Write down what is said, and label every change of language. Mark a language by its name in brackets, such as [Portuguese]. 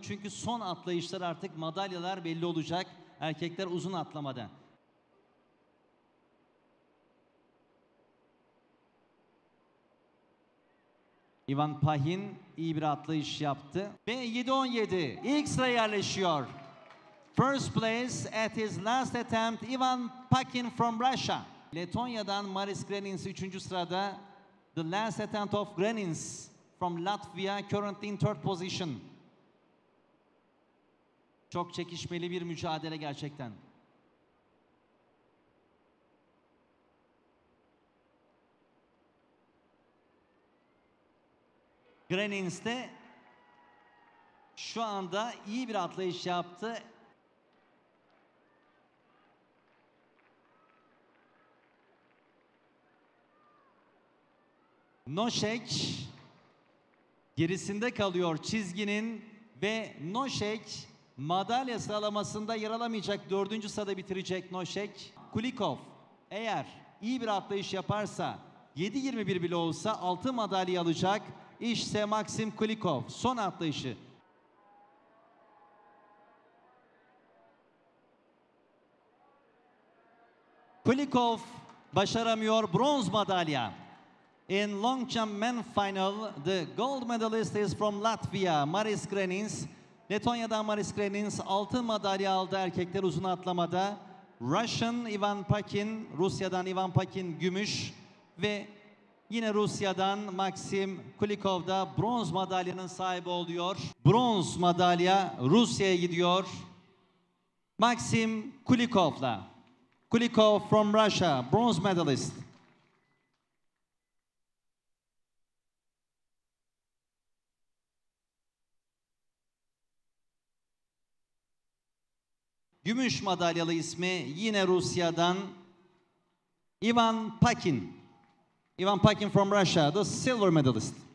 [Turkish] Çünkü son atlayışlar artık, madalyalar belli olacak. Erkekler uzun atlamada. İvan Pahin iyi bir atlayış yaptı. B717 ilk sıraya yerleşiyor. [English] First place at his last attempt, Ivan Pakin from Russia. [Turkish] Letonya'dan Maris Grenins 3. sırada. [English] The last attempt of Grenins from Latvia, currently in third position. [Turkish] Çok çekişmeli bir mücadele gerçekten. Grenins de şu anda iyi bir atlayış yaptı. Noşek gerisinde kalıyor çizginin ve Noşek madalya sıralamasında yer alamayacak. 4. sırada bitirecek Noşek. Kulikov eğer iyi bir atlayış yaparsa, 7.21 bile olsa, 6 madalya alacak. İşte Maxim Kulikov son atlayışı. Kulikov başaramıyor, bronz madalya. [English] In long jump men final, the gold medalist is from Latvia, Maris Grenins. [Turkish] Letonya'dan Maris Grenins altın madalya aldı erkekler uzun atlamada. Russian Ivan Pakin, Rusya'dan Ivan Pakin gümüş ve yine Rusya'dan Maxim Kulikov da bronz madalyanın sahibi oluyor. Bronz madalya Rusya'ya gidiyor. Maxim Kulikov'la. [English] Kulikov from Russia, bronz medalist. [Turkish] Gümüş madalyalı ismi yine Rusya'dan Ivan Pakin. [English] Ivan Pakin from Russia, the silver medalist.